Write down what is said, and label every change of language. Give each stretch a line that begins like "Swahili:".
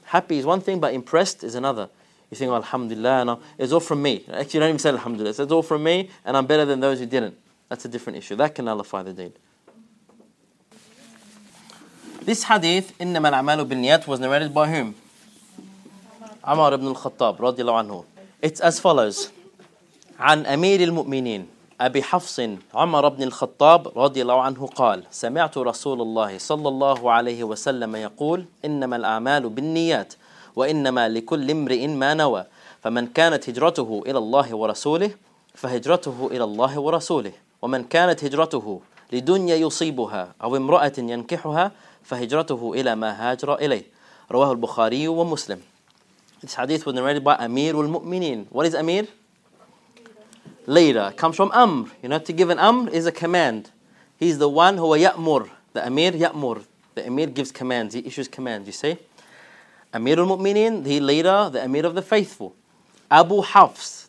English: Happy is one thing, but impressed is another. You think, Alhamdulillah, no, it's all from me. Actually, you don't even say Alhamdulillah, it's all from me, and I'm better than those who didn't. That's a different issue. That can nullify the deed. This hadith,
Arabic: إِنَّمَا الْعَمَالُ بِالنِّيَاتِ,
English: was narrated by whom? Umar ibn al-Khattab, radiallahu anhu. It's as follows.
Arabic: عن أمير المؤمنين أبي حفص عمر بن الخطاب رضي الله عنه قال سمعت رسول الله صلى الله عليه وسلم يقول إنما الأعمال بالنيات وإنما لكل امرئ ما نوى فمن كانت هجرته إلى الله ورسوله فهجرته إلى الله ورسوله ومن كانت هجرته لدنيا يصيبها أو امرأة ينكحها فهجرته إلى ما هاجر إليه رواه البخاري ومسلم.
English: This hadith was narrated by Amir al-Mu'mineen. What is Amir? Leader. Comes from Amr. You know, to give an Amr is a command. He's the one who ya'mur. The Amir ya'mur. The Amir gives commands. He issues commands, you see. Amir al-Mu'mineen, the leader, the Amir of the faithful. Abu Hafs.